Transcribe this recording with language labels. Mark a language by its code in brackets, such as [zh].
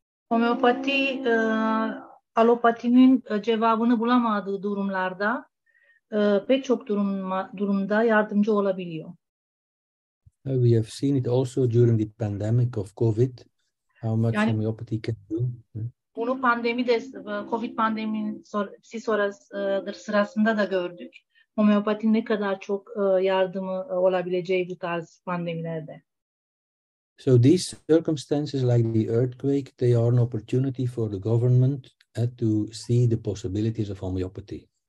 [tr] Homeopathy, allopathinin cevabını bulamadığı durumlarda pek çok durumda yardımcı olabiliyor. [en] We have seen it also during the pandemic of COVID, how much yani, homeopathy can do. [tr] Bunu pandemi de, COVID pandeminin sırasında da gördük. Homeopati ne kadar çok yardımı olabileceği bu tarz pandemilerde. [en] So these circumstances like the earthquake, they are an opportunity for the government to see the possibilities of homeopathy.